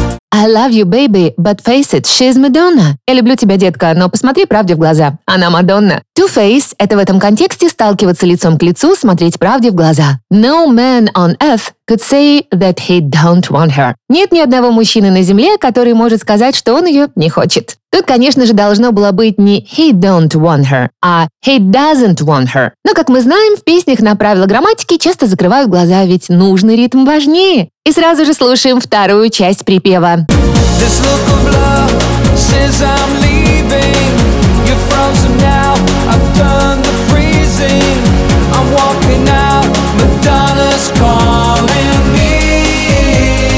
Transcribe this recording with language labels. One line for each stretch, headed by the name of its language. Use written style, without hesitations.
English: I love you, baby, but face it, she's Madonna.
Russian: Я люблю тебя, детка, но посмотри правде в глаза. Она Мадонна. To face – это в этом контексте сталкиваться лицом к лицу, смотреть правде в глаза.
English: No man on earth could say that he don't want her.
Russian: Нет ни одного мужчины на земле, который может сказать, что он ее не хочет. Тут, конечно же, должно было быть не
English: he don't want her,
Russian: а
English: he doesn't want her.
Russian: Но, как мы знаем, в песнях на правила грамматики часто закрывают глаза, ведь нужный ритм важнее. И сразу же слушаем вторую часть припева.
English: This look of love says I'm leaving. You're frozen now, I've done the freezing. I'm walking out, Madonna's calling me.